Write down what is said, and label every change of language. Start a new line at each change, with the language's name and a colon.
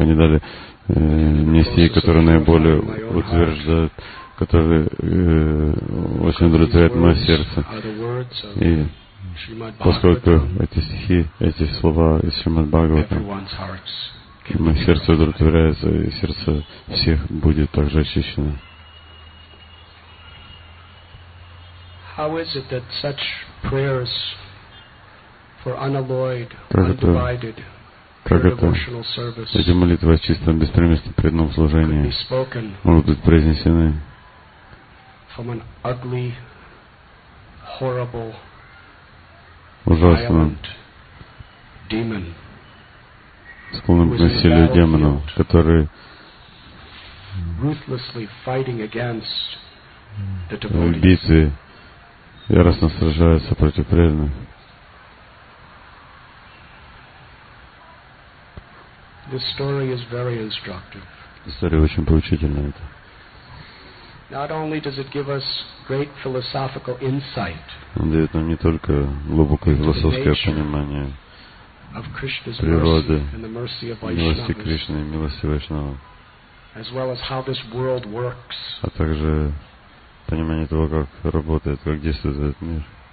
Russian: Они дали мне стихи, которые наиболее утверждают, которые очень удовлетворяют мое сердце. И поскольку эти стихи, эти слова из Шримад-Бхагавата, мое сердце удовлетворяется, и сердце всех будет также очищено.
English: How is it that such prayers for unalloyed, undivided, pure devotional service
Russian: эти молитвы о чистом, беспримесном преданном служении могут быть произнесены
English: from an ugly, horrible,
Russian: ужасным, склонным к насилию демону, который
English: ruthlessly fighting against the devotees.
Russian: Яростно сражается против преданных.
English: This story is very instructive.
Russian: История очень поучительна. Это.
English: Not only does it give us great philosophical insight.
Russian: Он дает нам не только глубокое философское понимание природы, милости Кришны и милости Вайшнава,
English: as well as how this world works.
Russian: А также понимание того, как работает, как действует этот мир.